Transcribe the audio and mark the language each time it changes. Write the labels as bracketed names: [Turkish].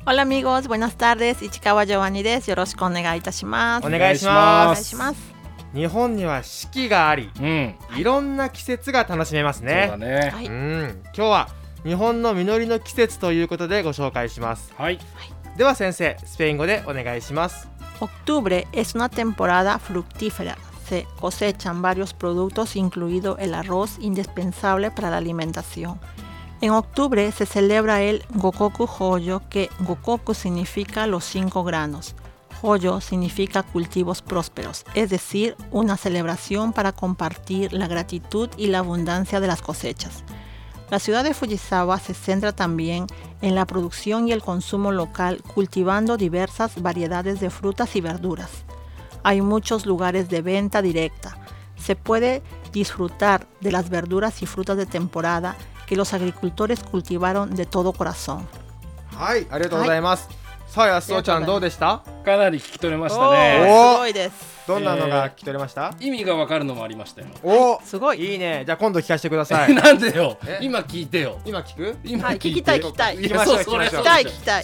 [Spanish] Hola amigos, buenas tardes, [Japanese] 市川ジョバンニです。よろしくお願いいたします。お願いします。お願いします。日本には四季があり、いろんな季節が楽しめますね。そうだね、今日は日本の実りの季節ということでご紹介します。はい、では先生スペイン語でお願いします。 [Spanish] Octubre es una temporada fructífera. Se cosechan varios productos incluido el arroz indispensable para la alimentación. En octubre se celebra el Gokoku Hoyo, que Gokoku significa los cinco granos. Hoyo significa cultivos prósperos, es decir, una celebración para compartir la gratitud y la abundancia de las cosechas. La ciudad de Fujisawa se centra también en la producción y el consumo local, cultivando diversas variedades de frutas y verduras. Hay muchos lugares de venta directa. Se puede disfrutar de las verduras y frutas de temporada que los agricultores cultivaron de todo corazón. ¡Ay! ¡Gracias! [Japanese] さあ、安尾ちゃんどうでした？かなり聞き取れましたね。おすごいです。どんなのが聞き取れました？意味が分かるのもありましたよ。お、はい、すごい。いいね。じゃあ今度聞かせてください。なんでよ、今聞いてよ。今聞く？今聞いて、はい、聞きたい聞きたい。行きましょう行きましょう。聞きたい聞きたい。